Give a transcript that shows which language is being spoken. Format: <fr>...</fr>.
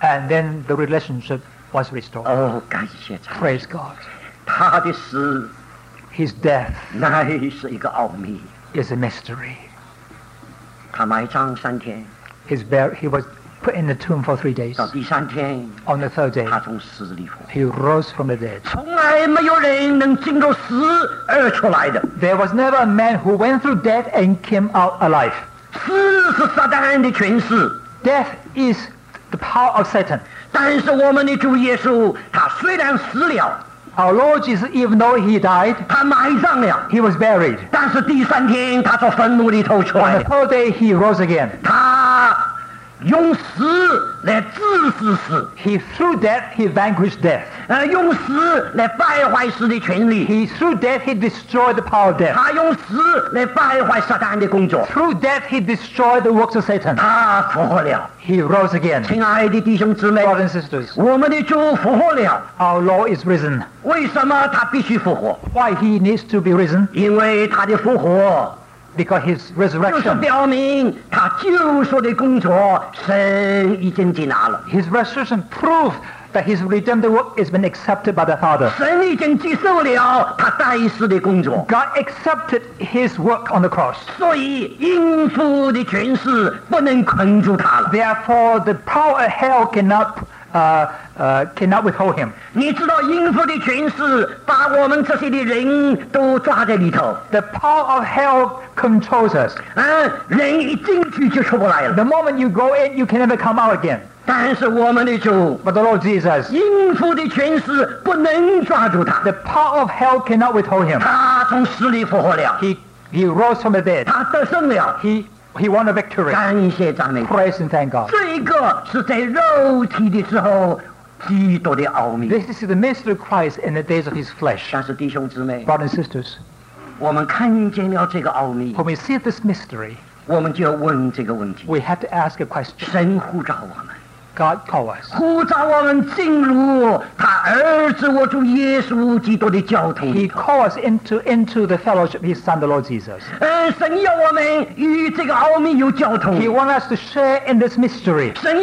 <en>and then the relationship was restored.</en> <zh>Oh, 感谢他,</zh> <en>praise God.</en> <zh>他的死,</zh> <en>his death,</en> <zh>乃是一个奥秘,</zh> <en>is a mystery.</en> <zh>他埋葬三天,</zh> <en>he was put in the tomb for 3 days.</en> <zh>到第三天,</zh> <en>on the third day,</en> <zh>他从死里复,</zh> <en>he rose from the dead.</en> <zh>从来没有人能经过死而出来的。</zh> <en>There was never a man who went through death and came out alive.</en> <zh>死是撒旦的权势。</zh> <en>Death is the power of Satan.</en> <zh>但是我们的主耶稣, 他虽然死了,</zh> <en>our Lord Jesus, even though he died,</en> <zh>他埋葬了,</zh> <en>he was buried.</en> <zh>但是第三天, 他从坟墓里头出来,</zh> <en>on the third day, he rose again.</en> <zh>他用死来致死死,</zh> <en>he threw death, he vanquished death.</en> <zh>用死来败坏死的权利,</zh> <en>he threw death, he destroyed the power of death.</en> <zh>他用死来败坏撒旦的工作,</zh> <en>through death, he destroyed the works of Satan.</en> <zh>他复活了,</zh> <en>he rose again.</en> <zh>亲爱的弟兄姊妹,</zh> <en>brothers and sisters,</en> <zh>我们的主复活了,</zh> <en>our Lord is risen.</en> <zh>为什么他必须复活?</zh> <en>Why he needs to be risen?</en> <zh>因为他的复活,</zh> <en>because his resurrection, his resurrection proved that his redemptive work has been accepted by the Father. God accepted his work on the cross. Therefore, the power of hell cannot withhold him.</en> <zh>你知道阴府的权势把我们这些的人都抓在里头。</zh> <en>The power of hell controls us.</en> <zh>人一进去就出不来了。</zh> <en>The moment you go in, you can never come out again.</en> <zh>但是我们的主，</zh> <en>but the Lord Jesus,</en> <zh>阴父的权势不能抓住他,</zh> <en>the power of hell cannot withhold him.</en> <zh>他从死里复活了,</zh> <en>he rose from the dead.</en> <zh>他得胜了,</zh> <en>he won a victory.</en> <zh>感谢赞美,</zh> <en>praise and thank God.</en> <zh>这个是在肉体的时候,</zh> <en>this is the mystery of Christ in the days of his flesh.</en> <zh>但是弟兄姊妹,</zh> <en>brothers and sisters,</en> <zh>我们看见了这个奥秘,</zh> <en>when we see this mystery,</en> <zh>我们就要问这个问题,</zh> <en>we have to ask a question.</en> <zh>神呼召我们,</zh> <en>God call us.</en> <zh>呼召我们进入他儿子我主耶稣基督的教堂,</zh> <en>he call us into the fellowship of his son, the Lord Jesus.</en> <zh>神要我们与这个奥秘有交通,</zh> <en>he want us to share in this mystery.</en>